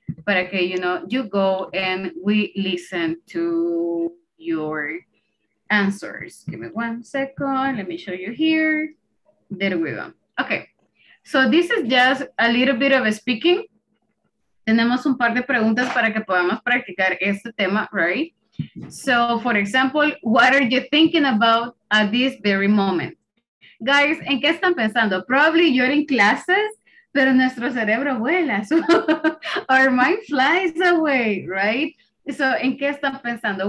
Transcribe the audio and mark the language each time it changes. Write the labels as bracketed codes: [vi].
[es] Para que, [en] you know, you go and we listen to your answers. Give me one second. Let me show you here. There we go. Okay. So this is just a little bit of a speaking. [es] Tenemos un par de preguntas para que podamos practicar este tema, right? [en] So for example, what are you thinking about at this very moment? [es] Guys, ¿en qué están pensando? [en] Probably you're in classes, [es] pero nuestro cerebro vuela. [en] So our mind flies away, right? [es] So ¿en qué están pensando?